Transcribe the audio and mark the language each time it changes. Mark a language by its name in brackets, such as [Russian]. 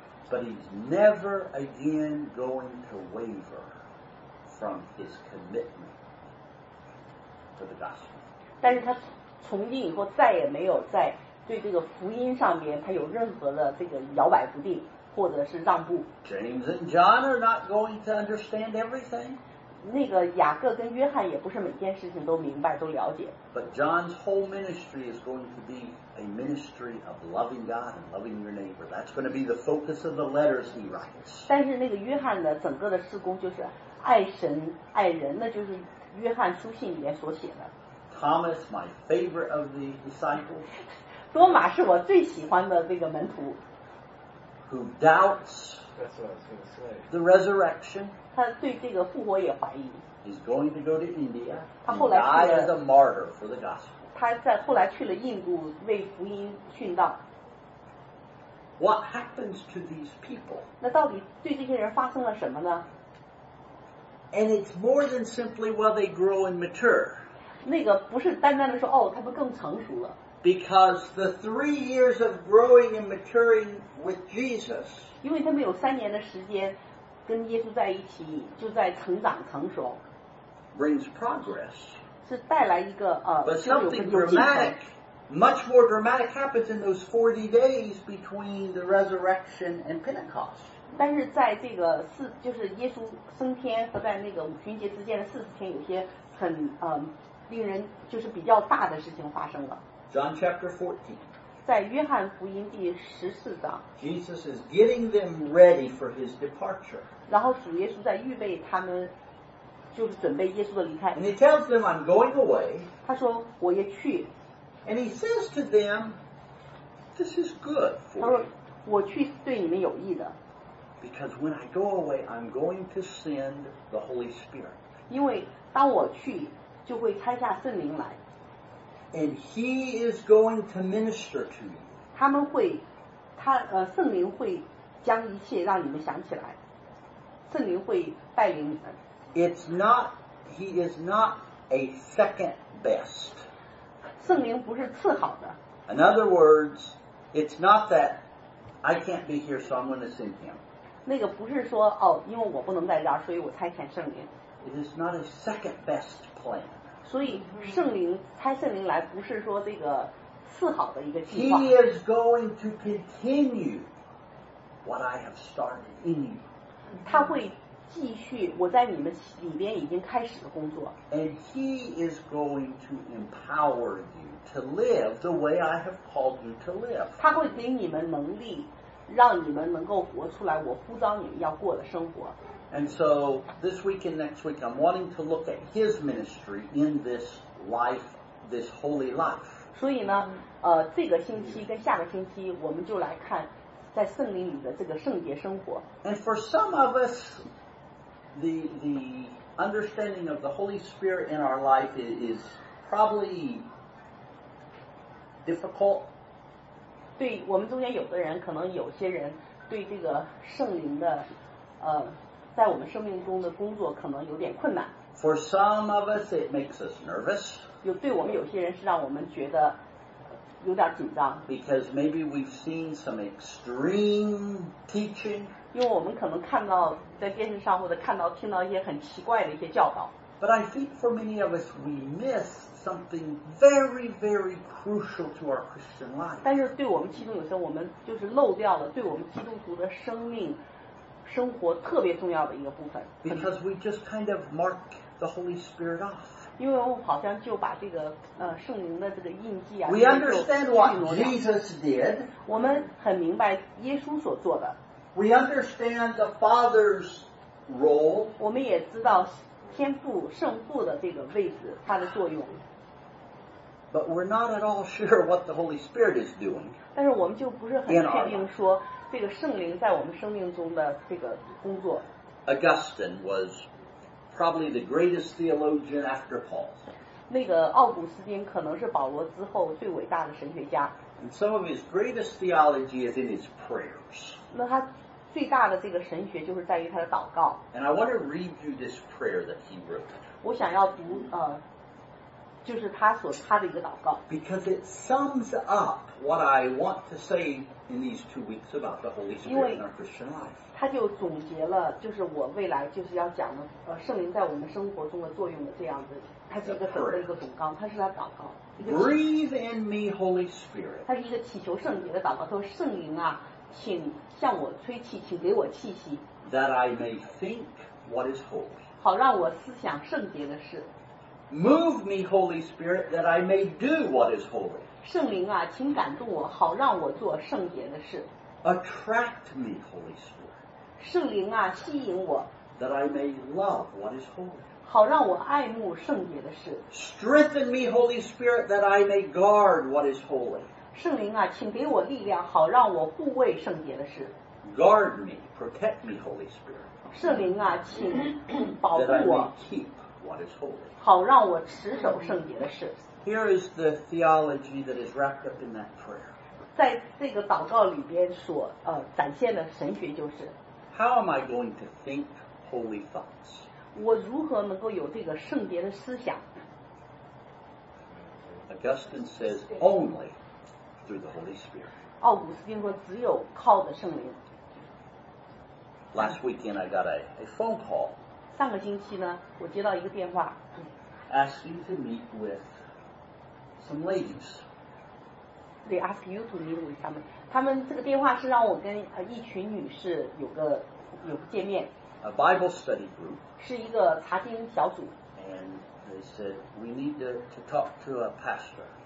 [English] But he's never again going to waver from his commitment to the gospel [Chinese] 但是他从今以后再也没有在对这个福音上面他有任何的这个摇摆不定或者是让步 [English] James and John are not going to understand everything [Chinese] 那个雅各跟约翰也不是每件事情都明白都了解 [English] But John's whole ministry is going to be a ministry of loving God and loving your neighbor That's going to be the focus of the letters he writes [Chinese] 但是那个约翰的整个的事工就是爱神爱人那就是约翰书信里面所写的 [English] Thomas, my favorite of the disciples. [Chinese] 多马是我最喜欢的这个门徒。 [English] Who doubts? That's what I was going to say. The resurrection. [Chinese] 他对这个复活也怀疑。 [English] He's going to go to India. [Chinese] 他后来去了。 [English] Die as a martyr for the gospel. [Chinese] 他在后来去了印度为福音殉道。 [English] What happens to these people? [Chinese] 那到底对这些人发生了什么呢？ [English] And it's more than simply while they grow and mature. [Chinese] 那个不是单单的说哦，他们更成熟了。 [English] Because the 3 years of growing and maturing with Jesus. [Chinese] 因为他们有三年的时间跟耶稣在一起，就在成长成熟。 [English] Brings progress. [Chinese] 是带来一个 [English] But something dramatic. Much more dramatic happens in those 40 days between the resurrection and Pentecost. [Chinese] 但是在这个四，就是耶稣升天和在那个五旬节之间的40天，有些很令人就是比较大的事情发生了。 [English] John chapter 14. [Chinese] 在约翰福音第14章。 [English] Jesus is getting them ready for his departure. [Chinese] 然后主耶稣在预备他们，就是准备耶稣的离开。 [English] And he tells them, "I'm going away." [Chinese] 他说我也去。 [English] And he says to them, this is good for you. [Chinese] 他说我去是对你们有益的。 [English] Because when I go away, I'm going to send the Holy Spirit. [Chinese] 因为当我去就会差下圣灵来。 [English] And he is going to minister to you. [Chinese] 他们会他圣灵会将一切让你们想起来。圣灵会带领你们。 [English] It's not, he is not a second best. [Chinese] 圣灵不是赐好的。 [English] In other words, it's not that I can't be here, so I'm going to send him. [Chinese] 那个不是说哦，因为我不能在这儿，所以我差遣圣灵。 [English] It is not a second best plan. [Chinese] 所以圣灵差圣灵来，不是说这个赐好的一个计划。 [English] He is going to continue what I have started in you. [Chinese] 他会继续我在你们里边已经开始的工作。 [English] And he is going to empower you to live the way I have called you to live. [Chinese] 他会给你们能力，让你们能够活出来我呼召你们要过的生活。 [English] And so this week and next week, I'm wanting to look at his ministry in this life, this holy life. [Chinese] 所以呢，这个星期跟下个星期，我们就来看在圣灵里的这个圣洁生活。 [English] And for some of us. The understanding of the Holy Spirit in our life is probably difficult. [Chinese] 对我们中间有的人，可能有些人对这个圣灵的，在我们生命中的工作可能有点困难。 [English] For some of us, it makes us nervous. [Chinese] 有对我们有些人是让我们觉得有点紧张。 [English] Because maybe we've seen some extreme teaching. [Chinese] 因为我们可能看到在电视上或者看到听到一些很奇怪的一些教导。 [English] But I think for many of us, we miss something very, very crucial to our Christian life. [Chinese] 但是对我们其中有时候我们就是漏掉了对我们基督徒的生命生活特别重要的一个部分。 [English] Because we just kind of mark the Holy Spirit off. [Chinese] 因为我们好像就把这个圣灵的这个印记啊。 [English] We understand what Jesus did. [Chinese] 我们很明白耶稣所做的。 [English] We understand the Father's role. [Chinese] 我们也知道天父圣父的这个位置，他的作用。 [English] But we're not at all sure what the Holy Spirit is doing. [Chinese] 但是我们就不是很确定说这个圣灵在我们生命中的这个工作。 [English] Augustine was probably the greatest theologian after Paul. [Chinese] 那个奥古斯丁可能是保罗之后最伟大的神学家。 [English] And some of his greatest theology is in his prayers. [Chinese] 那他最大的这个神学就是在于他的祷告。 [English] And I want to read you this prayer that he wrote. [Chinese] 我想要读就是他的一个祷告。 [English] Because it sums up what I want to say in these 2 weeks about the Holy Spirit in our Christian life. [Chinese] 他就总结了就是我未来就是要讲的圣灵在我们生活中的作用的这样子。他是一个整个一个总纲，他是他祷告。 [English] Breathe in me, Holy Spirit. [Chinese] 他是一个祈求圣洁的祷告，说圣灵啊，请向我吹气，请给我气息。 [English] That I may think what is holy. [Chinese] 好让我思想圣洁的事。 [English] Move me, Holy Spirit, that I may do what is holy. [Chinese] 圣灵啊，请感动我，好让我做圣洁的事。 [English] Attract me, Holy Spirit. [Chinese] 圣灵啊，吸引我。 [English] That I may love what is holy. [Chinese] 好让我爱慕圣洁的事。 [English] Strengthen me, Holy Spirit, that I may guard what is holy. [Chinese] 圣灵啊，请给我力量，好让我护卫圣洁的事。 [English] Guard me, protect me, Holy Spirit. [Chinese] 圣灵啊，请保护我。好让我持守圣洁的事。 [English] Here is the theology that is wrapped up in that prayer. [Chinese] 在这个祷告里边所展现的神学就是。 [English] How am I going to think holy thoughts? [Chinese] 我如何能够有这个圣洁的思想？ [English] Augustine says only through the Holy Spirit. [Chinese] 奥古斯丁说只有靠着圣灵。 [English] Last weekend I got a phone call. [Chinese] 上个星期呢，我接到一个电话。 [English] Asking to meet with some ladies. They ask you to meet with them. [Chinese] 他们这个电话是让我跟一群女士有个见面。 [English] A Bible study group. [Chinese] 是一个查经小组。 [English] They said, we need to talk to a pastor.